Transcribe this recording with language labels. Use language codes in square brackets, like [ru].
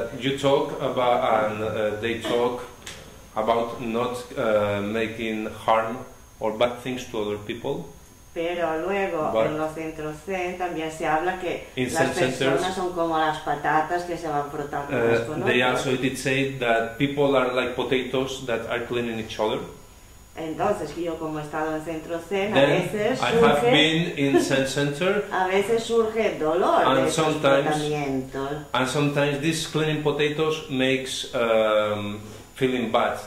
[en] You talk about and they talk about not making harm or bad things to other people. [es] Pero luego en los centros Zen también se habla que las personas son como las patatas que se van frotando con otros. [en] They also did say that people are like potatoes that are cleaning each other. [es] Entonces, yo como he estado en centro Zen, then, a veces surge, [en] I have been in Zen Center, [es] a veces surge dolor [en] and [es] de esos [en] sometimes, and sometimes these cleaning potatoes makes feeling bad.